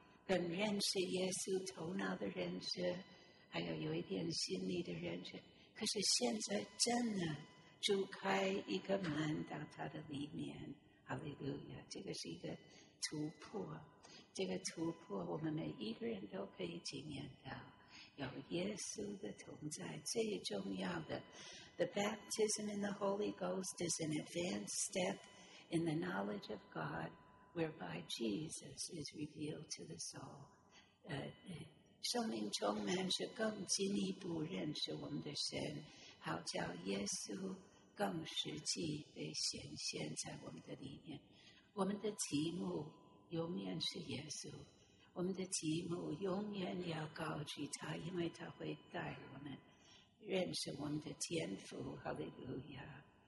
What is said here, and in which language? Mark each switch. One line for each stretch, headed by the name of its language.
Chinese: 跟认识耶稣头脑的认识，还有有一点心理的认识，可是现在真的主开一个门到他的里面，哈利路亚！这个是一个突破，这个突破我们每一个人都可以经验到，有耶稣的同在最重要的。
English: The baptism in the Holy Ghost is an advanced step in the knowledge of God, whereby Jesus is revealed to the soul.
Chinese: 生命充满是更进一步认识我们的神，好叫耶稣更实际被显现在我们的里面。我们的题目永远是耶稣，我们的题目永远要高举他，因为他会带我们认识我们的天父，哈利路亚。